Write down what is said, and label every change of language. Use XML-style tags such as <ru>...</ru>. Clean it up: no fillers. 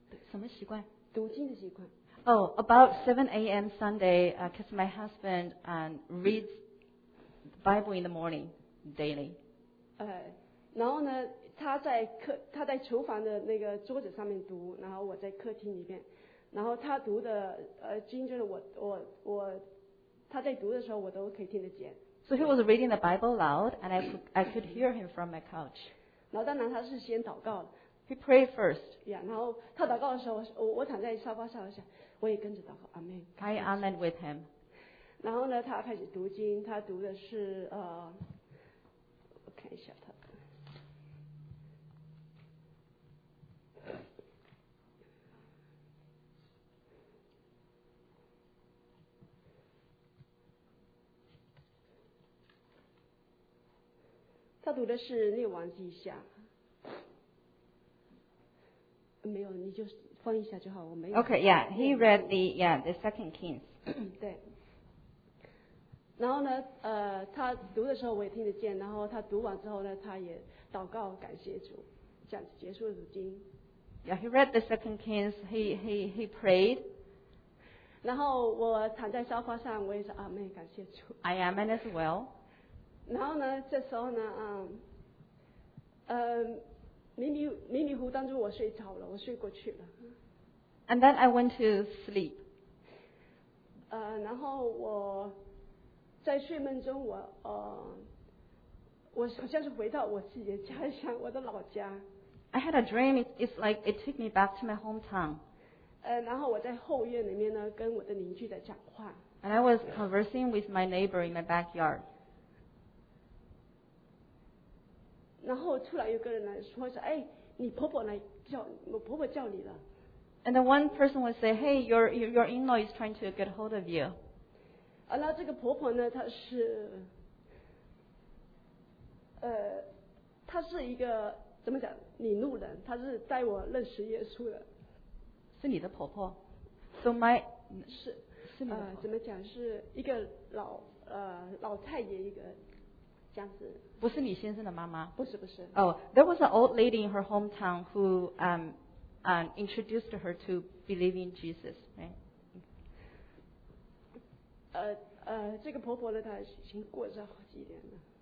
<zh>什么习惯？读经的习惯。</zh> <en>Oh, about 7 a.m. Sunday, because my husband reads Bible in the morning daily.</en> <zh>然后呢，他在厨房的那个桌子上面读，然后我在客厅里面，然后他读的经就是我他在读的时候我都可以听得见。</zh> <en>So he was reading the Bible loud, and I could hear him from my couch.</en> <zh>然后当然他是先祷告的。</zh> <en>He prayed first.</en> <zh>Yeah, 然后他祷告的时候，我躺在沙发上，我想我也跟着祷告，阿门。</zh> <en>I amen with him.</en> <zh>然后呢，他开始读经，他读的是我看一下他。他读的是列王记下。没有，你就翻一下就好，我没有。</zh> <en>Okay, yeah, he read the the Second Kings.</en> <zh>对。然后呢，他读的时候我也听得见，然后他读完之后呢，他也祷告感谢主，这样子结束了读经。</zh> <en>Yeah, he read the Second Kings. He prayed.</en> <zh>然后我躺在沙发上，我也是阿门，感谢主。</zh> <en>I am as well.</en> <zh>然后呢，这时候呢，迷迷糊当中我睡着了，我睡过去了。</zh> <en>And then I went to sleep.</en> <zh>然后我在睡梦中我好像是回到我自己的家乡，我的老家。</zh> <en>I had a dream. It's like it took me back to my hometown.</en> <zh>然后我在后院里面呢，跟我的邻居在讲话。</zh> <en>And I was conversing with my neighbor in my backyard.</en> <zh>然后突然有个人来说，说：“哎，你婆婆来叫，我婆婆叫你了。”</zh> <en>And then one person would say, "Hey, your in-law is trying to get hold of you."</en> <zh>那这个婆婆呢，她是一个怎么讲，领路人，她是带我认识耶稣的。是你的婆婆 ？</zh> <en>So my</en> <zh>是你的婆婆怎么讲，是一个老太爷一个。不是你先生的妈妈？不是不是。</zh> <en>Oh, there was an old lady in her hometown who introduced her to believing Jesus, right?</en> <zh>这个婆婆呢，她已经过世好几年了。</zh>